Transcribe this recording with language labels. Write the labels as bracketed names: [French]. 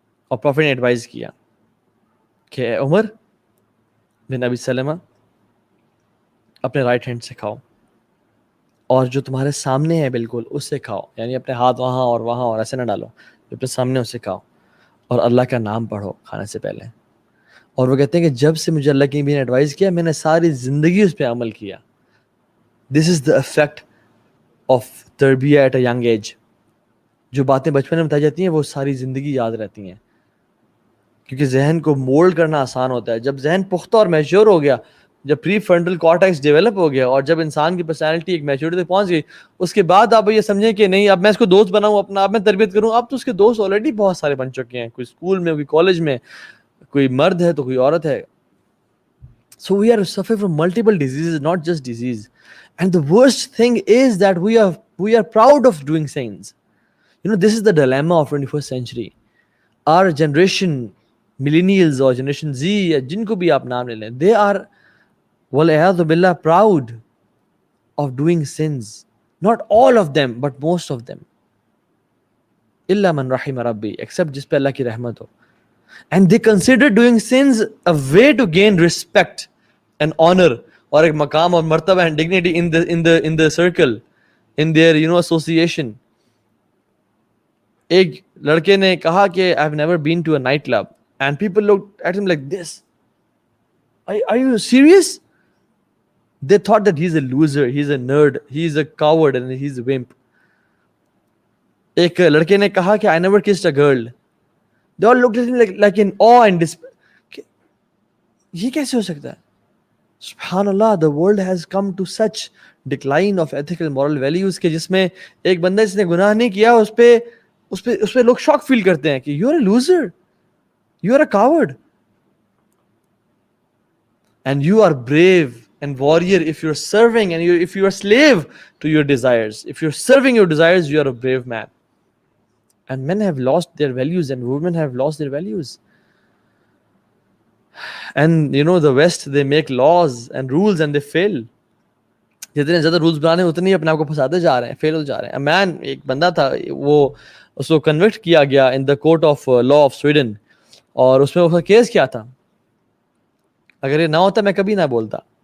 [Urdu] اور پروفیٹ نے ایڈوائز کیا کہ اے عمر بن ابی سلمہ, اپنے رائٹ ہینڈ سے کھاؤ اور جو تمہارے سامنے ہے بالکل اس سے کھاؤ, یعنی اپنے ہاتھ وہاں اور وہاں اور ایسے نہ ڈالو, جو اپنے سامنے اسے کھاؤ, اور اللہ کا نام پڑھو کھانے سے پہلے. اور وہ کہتے ہیں کہ جب سے مجھے اللہ کی بھی نے ایڈوائز کیا, میں نے ساری زندگی اس پہ عمل کیا. [English] this is the effect of tarbiyah at a young age. [Urdu] جو باتیں بچپن میں بتائی جاتی ہیں وہ ساری زندگی یاد رہتی ہیں, کیونکہ ذہن کو مولڈ کرنا آسان ہوتا ہے. جب ذہن پختہ اور میچیور ہو گیا, جب پری فرنٹل کارٹیکس ڈیولپ ہو گیا, اور جب انسان کی پرسنالٹی ایک میچیورٹی تک پہنچ گئی, اس کے بعد آپ یہ سمجھیں کہ نہیں, اب میں اس کو دوست بناؤں, اپنا آپ میں تربیت کروں, اب تو اس کے دوست آلریڈی بہت سارے بن چکے ہیں, کوئی اسکول میں, کوئی کالج میں, کوئی مرد ہے تو کوئی عورت ہے. [English] So we are suffer from multiple disease, not just disease. And the worst thing is that we are proud of doing science. You know, this is the dilemma of 21st century. Our generation, millennials or Generation Z, or [Urdu] jinko bhi aap naam le le, [English] they are, wal'ayadu billah, proud of doing sins. Not all of them, but most of them. [Arabic] Illa man rahima rabbi, [English] except [Urdu] jis pe Allah ki rahmat ho. [English] And they consider doing sins a way to gain respect and honor, or [Urdu] ek maqam aur martaba [English] and dignity in the circle, in their, you know, association. [Urdu] ایک لڑکے نے کہا کہ [English] I have never been to a night club, and people look at him like this, are you serious? They thought that he is a loser, he is a nerd, he is a coward, and he is a wimp. [Urdu] ایک لڑکے نے کہا کہ [English] I never kissed a girl, they all look at him like in away and this. [Urdu] یہ کیسے ہو سکتا ہے؟ [English] سبحان اللہ, the world has come to such decline of ethical moral values [Urdu] کے جس میں ایک بندہ جس نے گناہ نہیں کیا اس پہ لوگ شاک فیل کرتے ہیں کہ [English] You are a loser, you are a coward, and you are brave and warrior if you are serving, and if you are slave to your desires, if you are serving your desires, you are a brave man. And men have lost their values, and women have lost their values. And you know the west, they make laws and rules and they fail. [Urdu] جتنے زیادہ rules بنانے ہیں اتنے ہی اپنے آپ کو پھنساتے جا رہے ہیں, فیل ہو جا رہے ہیں. مین, ایک بندہ تھا, وہ اس کو کنوکٹ کیا گیا [English] in the court of law of Sweden, [Urdu] اور اس میں اس کا کیس کیا تھا, اگر یہ نہ ہوتا میں کبھی نہ بولتا.